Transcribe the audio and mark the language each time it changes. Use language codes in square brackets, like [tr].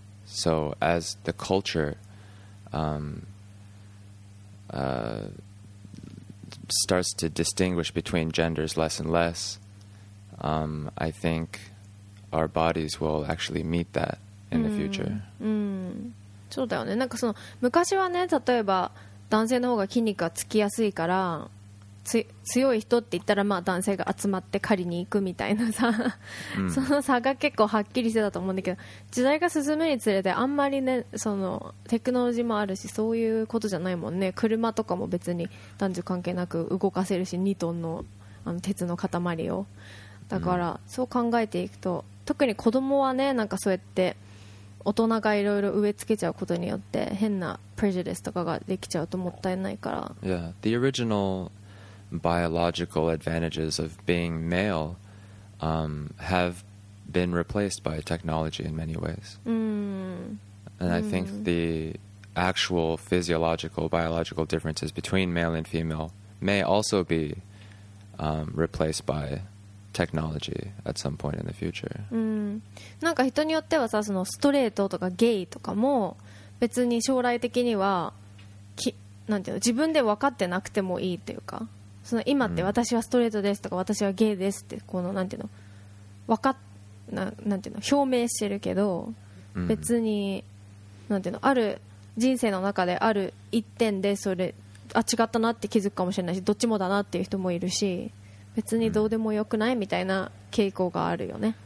[en] So as the culture starts to distinguish between genders less and less, I think our bodies will actually meet that in the future. [ja] そうだよね。なんかその昔はね、例えば男性の方が筋肉がつきやすいから強い人って言ったら、まあ男性が集まって狩りに行くみたいなさ、その差が結構はっきりしてたと思うんだけど、時代が進むにつれてあんまりね、そのテクノロジーもあるし、そういうことじゃないもんね。車とかも別に男女関係なく動かせるし、2トン の, あの鉄の塊を。だからそう考えていくと、特に子供はね、なんかそうやって大人がいろいろ植え付けちゃうことによって変なプレジュディスとかができちゃうともったいないから。 [en] Yeah, the original biological advantages of being male have been replaced by technology in many ways. And I think the actual physiological biological differences between male and female may also be replaced bySechnology at some point in the future. [ja] なんか人によってはさ、そのストレートとかゲイとかも別に将来的にはき、なんていうの、自分で分かってなくてもいいっていうか、その今って私はストレートですとか私はゲイですって、このなんていうの、分かっ、なんていうの、表明してるけど、別になんていうの、ある人生の中である一点でそれ、あ、違ったなって気づくかもしれないし、どっちもだなっていう人もいるし、別にどうでもよくないみたいな傾向があるよね。